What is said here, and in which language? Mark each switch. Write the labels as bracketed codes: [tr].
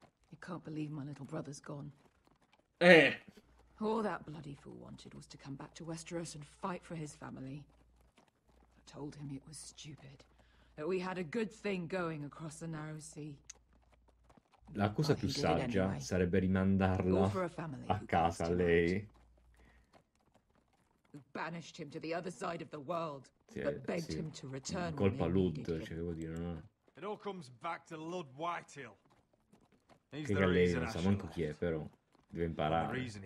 [en] I can't believe my little brother's gone. All that bloody fool wanted was to come back to Westeros and fight for his family. I told him it was stupid. That we had a good thing going across the narrow sea. [it] La cosa più saggia sarebbe rimandarla a casa, lei. [en] Banished him to the other side of the world, but begged him to return. [it] Colpa Lud, ci devo dire, no? [en] It all comes back to Lud Whitehill. [it] Che lei non sa manco chi è, però deve imparare.